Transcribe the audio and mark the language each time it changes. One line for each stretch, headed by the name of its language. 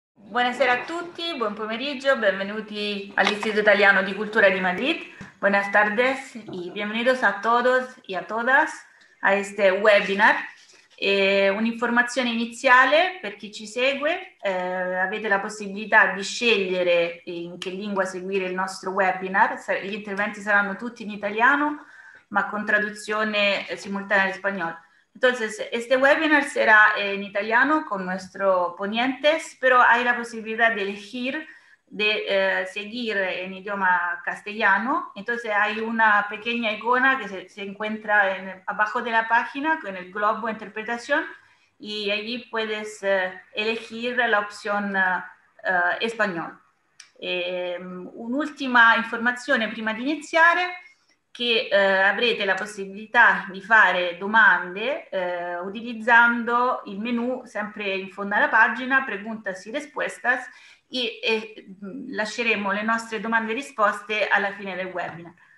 Italian: Buonasera a tutti, buon pomeriggio, benvenuti all'Istituto Italiano di Cultura di Madrid.
Spanish: Buenas tardes y bienvenidos a todos y a todas a este webinar.
Italian: Un'informazione iniziale per chi ci segue, avete la possibilità di scegliere in che lingua seguire il nostro webinar. Gli interventi saranno tutti in italiano, ma con traduzione simultanea in spagnolo.
Spanish: Entonces, este webinar será en italiano con nuestro ponente, pero hay la posibilidad de elegir de seguir en idioma castellano. Entonces, hay una pequeña icona que se encuentra abajo de la página con el globo de interpretación y allí puedes elegir la opción español.
Italian: Un'ultima informazione prima di iniziare. Che avrete la possibilità di fare domande utilizzando il menu sempre in fondo alla pagina,
Spanish: preguntas y respuestas,
Italian: e lasceremo le nostre domande e risposte alla fine del webinar.